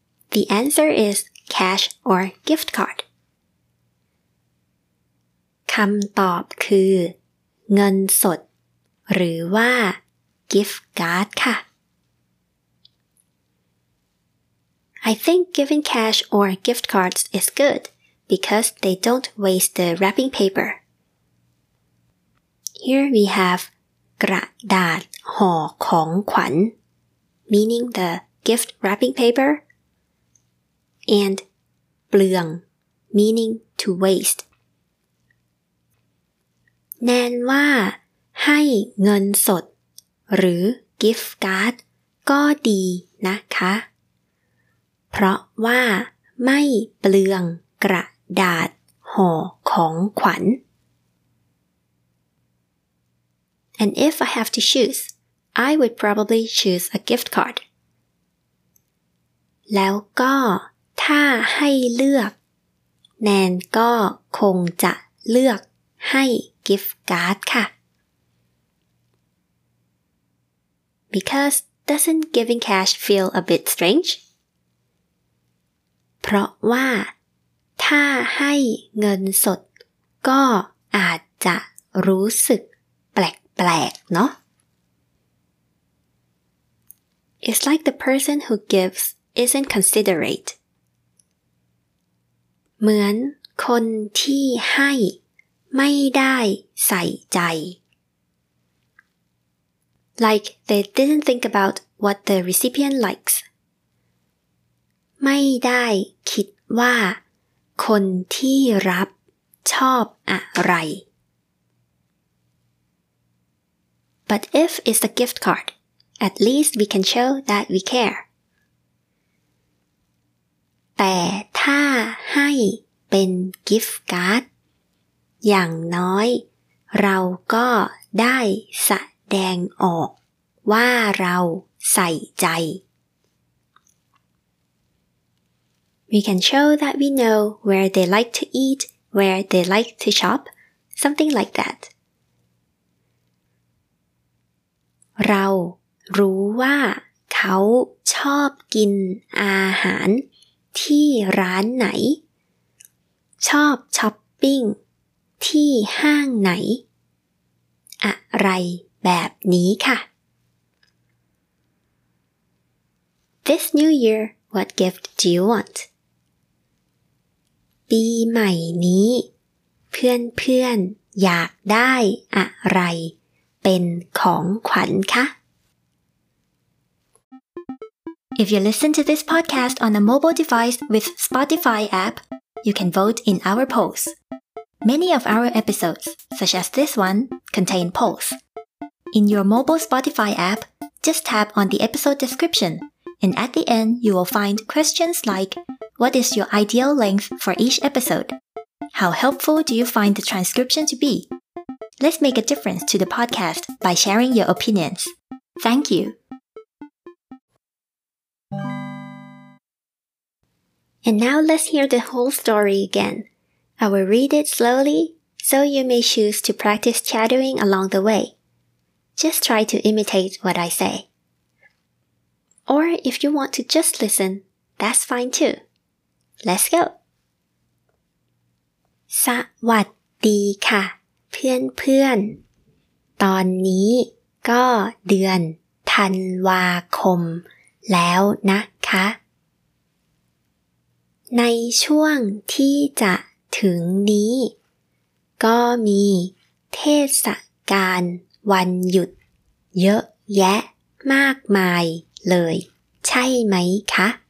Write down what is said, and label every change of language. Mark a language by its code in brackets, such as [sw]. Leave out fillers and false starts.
[en] The answer is cash or gift card. [th] คำตอบคือเงินสดหรือว่า gift card ค่ะ [en] I think giving cash or gift cards is good. Because they don't waste the wrapping paper. Here we have [th] กระดาษห่อของขวัญ [en] meaning the gift wrapping paper, and เปลือง meaning to waste. [th] แน่นว่าให้เงินสดหรือ gift card ก็ดีนะคะเพราะว่าไม่เปลืองกระดาษห่อของขวัญ [en] And if I have to choose, I would probably choose a gift card. [th] แล้วก็ถ้าให้เลือกแนนก็คงจะเลือกให้ gift card ค่ะ [en] Because doesn't giving cash feel a bit strange? [th] เพราะว่าถ้าให้เงินสดก็อาจจะรู้สึกแปลกๆเนาะ [en] It's like the person who gives isn't considerate [th] เหมือนคนที่ให้ไม่ได้ใส่ใจ [en] Like they didn't think about what the recipient likes [th] ไม่ได้คิดว่าคนที่รับชอบอะไร [en] But if it's a gift card, at least we can show that we care. [th] แต่ถ้าให้เป็น gift card, อย่างน้อยเราก็ได้แสดงออกว่าเราใส่ใจ [en] We can show that we know where they like to eat, where they like to shop, something like that. [th] เรารู้ว่าเขาชอบกินอาหารที่ร้านไหนชอบช้อปปิ้งที่ห้างไหนอะไรแบบนี้ค่ะ [en] This New Year, what gift do you want? [th] ปีใหม่นี้เพื่อนๆ อยากได้อะไรเป็นของขวัญคะ [en] If you listen to this podcast on a mobile device with Spotify app, you can vote in our polls. Many of our episodes, such as this one, contain polls. In your mobile Spotify app, just tap on the episode description, and at the end, you will find questions like, what is your ideal length for each episode? How helpful do you find the transcription to be? Let's make a difference to the podcast by sharing your opinions. Thank you. And now let's hear the whole story again. I will read it slowly, so you may choose to practice chattering along the way. Just try to imitate what I say. Or if you want to just listen, that's fine too. Let's go. [th] สวัสดีค่ะเพื่อนๆตอนนี้ก็เดือนธันวาคมแล้วนะคะในช่วงที่จะถึงนี้ก็มีเทศกาลวันหยุดเยอะแยะมากมายเลยใช่ไหมคะ